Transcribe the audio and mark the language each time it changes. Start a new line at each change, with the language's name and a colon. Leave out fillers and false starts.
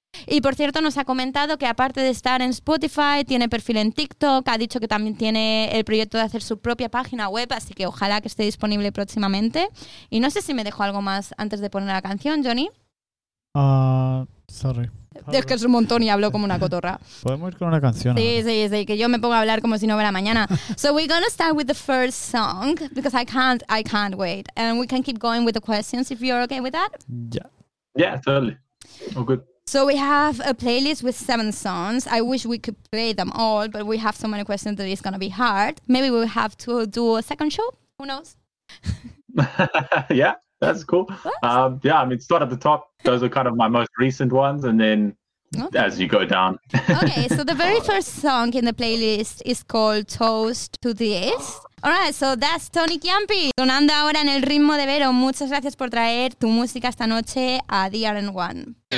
Spanish: Y por cierto, nos ha comentado que aparte de estar en Spotify, tiene perfil en TikTok, ha dicho que también tiene el proyecto de hacer su propia página web, así que ojalá que esté disponible próximamente. Y no sé si me dejó algo más antes de poner la canción, Johnny.
English: Sorry.
Spanish: Es que es un montón y hablo como una cotorra. Podemos ir con una canción. Sí, que yo me pongo a hablar como si no hubiera mañana.
English: So we're gonna start with the first song because I can't wait, and we can keep going with the questions if you're okay with that. Yeah, totally. Oh, good. So we have a playlist with 7 songs. I wish we could play them all, but we have so many questions that it's gonna be hard. Maybe we'll have to do a second show. Who knows? Yeah. That's cool. I mean, start at the top. Those are kind of my most recent ones. And then as you go down. Okay, so the very first song in the playlist is called Toast to This. All right, so that's Toni Ciampi.
Spanish: Sonando ahora en el ritmo de Vero. Muchas gracias por traer tu música esta noche a DRN1.